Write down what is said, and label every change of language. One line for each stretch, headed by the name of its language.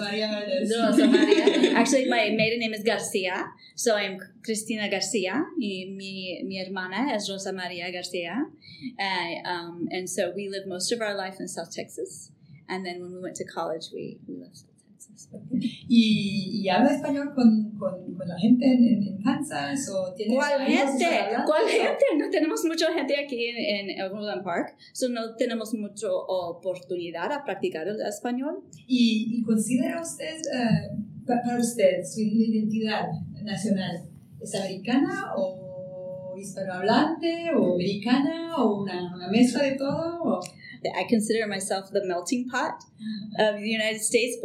Spanish: Rosa Maria.
English: Actually, my maiden name is Garcia. So I am Cristina Garcia.
Spanish: Mi hermana es Rosa Maria Garcia.
English: And so we lived most of our life in South Texas. And then when we went to college, we left.
Spanish: ¿Y habla español con la gente en Kansas? ¿O ¿Cuál gente? No tenemos mucha gente aquí en Overland Park, so no tenemos mucha oportunidad a practicar el español. ¿Y considera usted, para usted, su identidad nacional, es americana o hispanohablante o americana o una mezcla de todo?
English: I consider myself the melting pot of the United States.